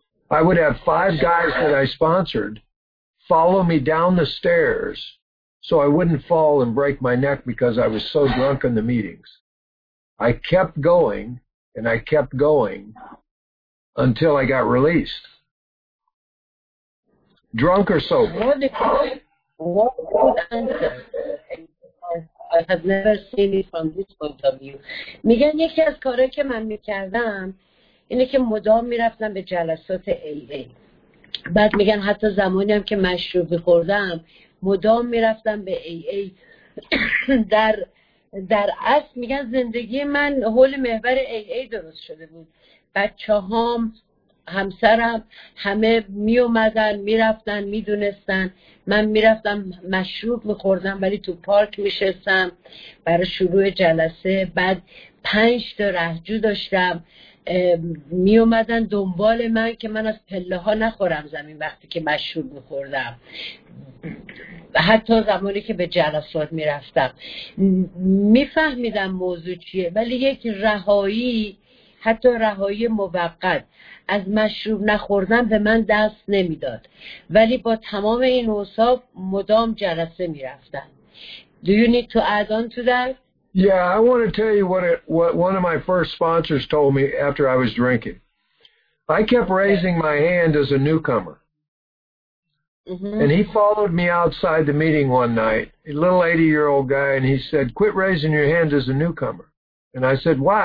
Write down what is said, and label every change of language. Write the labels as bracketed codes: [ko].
[en] I would have 5 guys that I sponsored follow me down the stairs so I wouldn't fall and break my neck because I was so drunk in the meetings. I kept going and I kept going until I got released. Drunk or sober? What a good answer. I have never seen it from this point of view. [fa] میگن یکی از کارهایی که من میکردم اینه که مدام میرفتم به جلسات AA. بعد میگن حتی زمانی هم که مشروب بخوردم مدام میرفتم به AA. در اصل میگن زندگی من حول محور AA درست شده بود. بچه هام، همسرم، همه میومدن، میرفتن، میدونستن. من میرفتم مشروب میخوردم ولی تو پارک میشستم برای شروع جلسه. بعد 5 تا رهجو داشتم میومدن دنبال من که من از پله ها نخورم زمین وقتی که مشروب میخوردم، حتی زمانی که به جلسات میرفتم. میفهمیدم موضوع چیه، ولی یک رهایی، حتی رهایی موقت از مشروب نخوردن به من دست نمیداد، ولی با تمام این اوصاف مدام جلسه میرفتن. [en] Do you need to add on to that? Yeah, I want to tell you what one of my first sponsors told me after I was drinking. I kept raising my hand as a newcomer. Mm-hmm. And he followed me outside the meeting one night, a little 80-year-old guy, and he said, "Quit raising your hand as a newcomer." And I said, "Why?